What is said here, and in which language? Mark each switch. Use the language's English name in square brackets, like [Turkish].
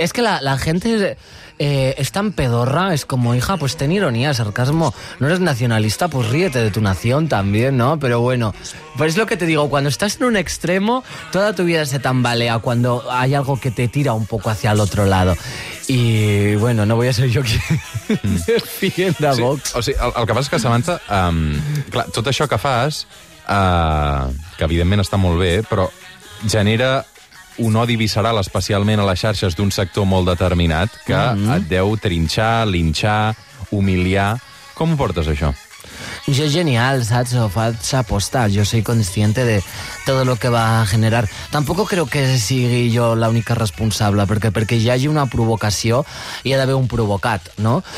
[Spanish] Sí, es que la gente es tan pedorra, es como, hija, pues ten ironía, sarcasmo, no eres nacionalista, pues ríete de tu nación también, ¿no? Pero bueno, pues es lo que te digo, cuando estás en un extremo, toda tu vida se tambalea cuando hay algo que te tira un poco hacia el otro lado. Y bueno, no voy a ser yo quien defienda sí, Vox. [Catalan] O sigui, el que passa és que, Samantha, clar, tot això que fas, que evidentment està molt bé, però genera un odi visceral, especialment a les xarxes d'un sector molt determinat, que et deu trinxar, linxar, humiliar... Com ho portes, això? Jo, genial, saps? Ho faig a posta. [Spanish] Jo soy consciente de todo lo que va a generar. Tampoco creo [Catalan] que sigui jo l'única responsable, perquè hi hagi una provocació, hi ha d'haver un provocat, no?